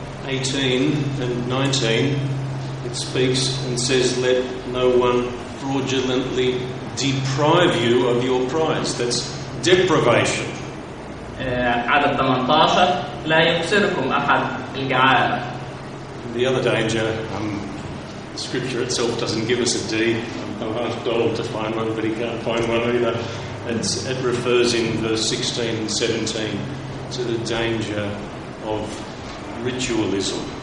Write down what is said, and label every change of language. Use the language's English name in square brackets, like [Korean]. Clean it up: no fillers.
[English] 18 and 19, it speaks and says, let no one fraudulently deprive you of your prize. That's deprivation. [Arabic] عدد 18 لا يخسركم أحد الجعالة. [English] The other danger, the scripture itself doesn't give us a D. I've asked Donald to find one, but he can't find one either. It refers in verse 16 and 17 to the danger of ritualism.